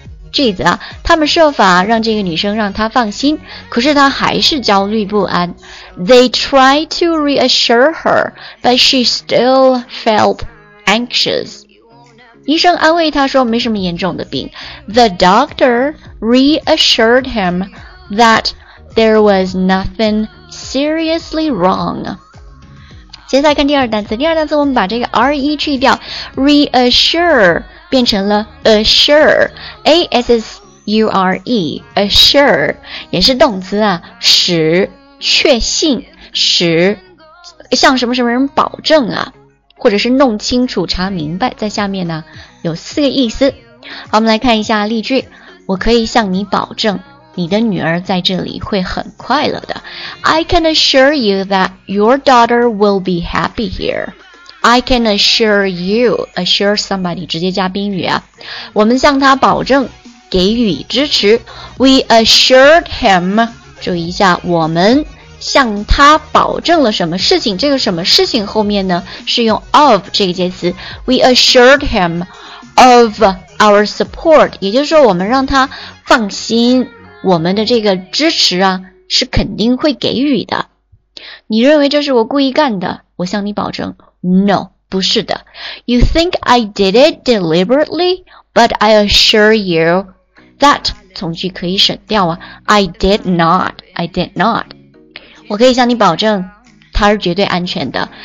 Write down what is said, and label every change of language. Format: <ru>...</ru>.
<zh>句子啊，他们设法让这个女生让她放心，可是她还是焦虑不安。</zh> <en>They tried to reassure her, but she still felt anxious.</en> <zh>医生安慰她说没什么严重的病。</zh> <en>The doctor reassured him that there was nothing seriously wrong.</en> <zh>接下来看第二单词，第二单词我们把这个 re 去掉 ，reassure 变成了 assure，assure 也是动词啊，使确信，使向什么什么人保证啊，或者是弄清楚、查明白，在下面呢有四个意思。好，我们来看一下例句，我可以向你保证。你的女儿在这里会很快乐的。</zh> <en>I can assure you that your daughter will be happy here. I can assure you, assure somebody,</en> <zh>直接加宾语啊。我们向他保证，给予支持。</zh> <en>We assured him,</en> <zh>注意一下，我们向他保证了什么事情，这个什么事情后面呢，是用 of 这个介词。</zh> <en>We assured him of our support,</en> <zh>也就是说我们让他放心。我们的这个支持啊，是肯定会给予的。你认为这是我故意干的？我向你保证 ，</zh> <en>No，</en> <zh>不是的。</zh> <en>You think I did it deliberately, but I assure you that</en> <zh>从句可以省掉啊。</zh> <en>I did not, I did not.</en> <zh>我可以向你保证她是绝对安全的。</zh>